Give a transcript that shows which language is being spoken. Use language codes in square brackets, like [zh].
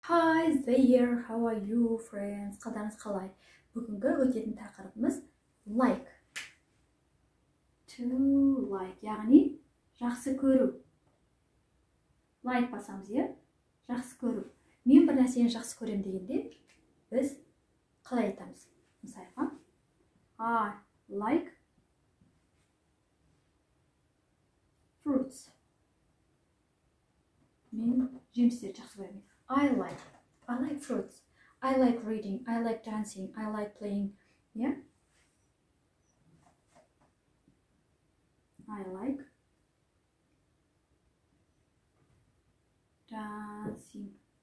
[en] Hi there, how are you friends? [kk] Қалдарыңыз қалай? Бүгінгі өтетін тақырыбымыз like. To like, яғни жақсы көру. Like басамыз, е? Жақсы көру. Мен бір нәрсені жақсы көрем дегенде, біз қалай айтамыз? [en] Мысалға, I like fruits. [kk] Мен жемістерді жақсы көремін. [en] I like fruits. I like reading. I like dancing. I like playing. Yeah? I like dancing.